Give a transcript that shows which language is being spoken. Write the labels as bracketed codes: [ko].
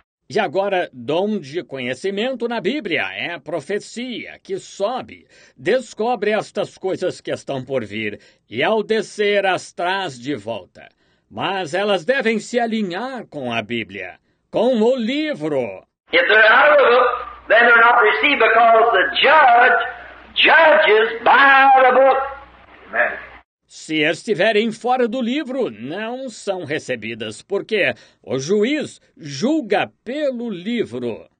[pt] E agora, dom de conhecimento na Bíblia é a profecia que sobe, descobre estas coisas que estão por vir e ao descer as traz de volta. Mas elas devem se alinhar com a Bíblia, com o livro. [en] If they're out of the book, then they're not received because the judge judges by the book. [pt] Se estiverem fora do livro, não são recebidas, porque o juiz julga pelo livro.